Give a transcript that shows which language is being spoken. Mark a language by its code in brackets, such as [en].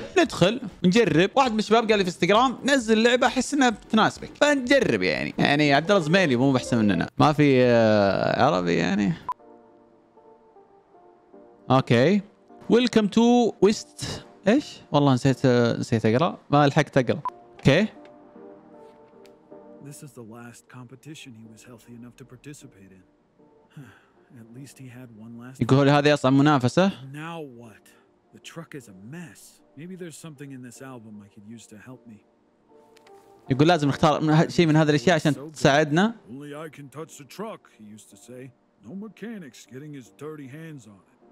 [ar] ندخل نجرب. واحد من الشباب قال لي في انستغرام نزل لعبه احس انها بتناسبك، فنجرب. يعني عبد الله زميلي مو احسن مننا، ما في عربي يعني. اوكي، [en] Welcome to West. [ar] ايش والله نسيت اقرا، ما لحقت اقرا. [en] Okay, this is the last competition he was healthy enough to participate in. At least he had one last. [ar] يقول هذه اصعب منافسه. [en] Now what? The truck is a mess. Maybe there's something in this album I could use to help me. [ar] يقول لازم نختار شيء من هذه الاشياء عشان تساعدنا. [en] Only I can touch the truck, he used to say. No mechanics getting his dirty hands on.